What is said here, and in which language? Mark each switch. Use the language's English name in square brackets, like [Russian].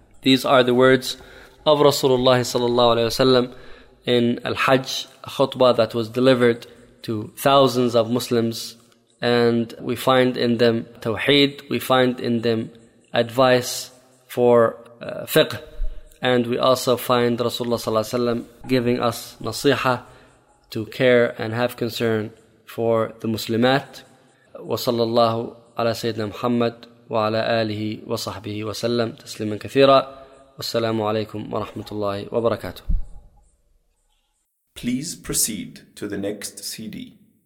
[English] These are the words of Rasulullah sallallahu alaihi wasallam in Al-Hajj, a khutbah that was delivered to thousands of Muslims, and we find in them tawheed, we find in them advice for fiqh, and we also find Rasulullah sallallahu alaihi wasallam giving us nasiha to care and have concern for the Muslimat. [Arabic] وصلى الله على سيدنا محمد وعلى آله وصحبه وسلم تسليما كثيرا والسلام عليكم ورحمة الله وبركاته. [English] Please proceed to the next CD.